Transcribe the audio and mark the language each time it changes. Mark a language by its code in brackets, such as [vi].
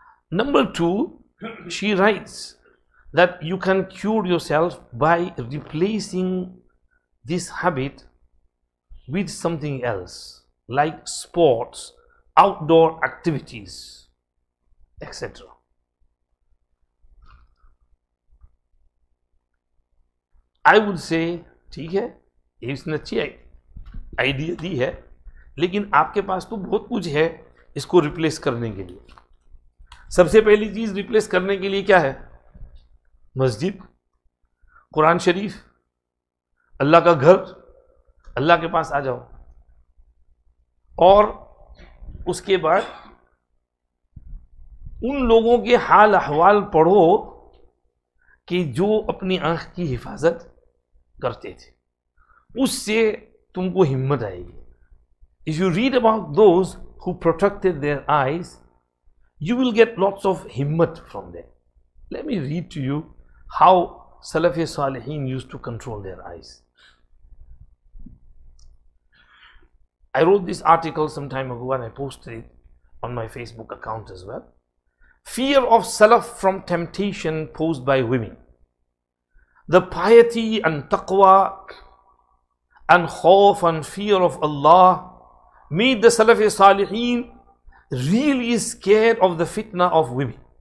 [en] Number two, she writes that you can cure yourself by replacing this habit with something else, like sports, outdoor activities, etc. I would say, [hi] ठीक है, ये इसने अच्छी idea दी है, लेकिन आपके पास तो बहुत कुछ है इसको रिप्लेस करने के लिए. सबसे पहली चीज रिप्लेस करने के लिए क्या है? मस्जिद, कुरान शरीफ, अल्लाह का घर. अल्लाह के पास आ जाओ, और उसके बाद उन लोगों के हाल अहवाल पढ़ो कि जो अपनी आँख की हिफाजत करते थे, उससे तुमको हिम्मत आएगी. [en] If you read about those who protected their eyes, you will get lots of हिम्मत from them. Let me read to you how सलफ़े सालेहीन use to control their eyes. I wrote this article some time ago and I posted it on my Facebook account as well. Fear of Salaf from temptation posed by women. The piety and taqwa and khawf and fear of Allah made the Salafi Salihin really scared of the fitna of women.